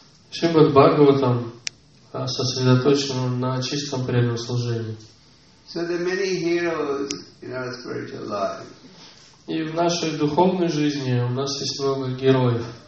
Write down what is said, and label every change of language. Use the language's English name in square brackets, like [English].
[Russian] Шримад Бхагаватам сосредоточен на чистом преданном служении. [English] So there are many heroes in our spiritual life. [Russian] И в нашей духовной жизни у нас есть много героев.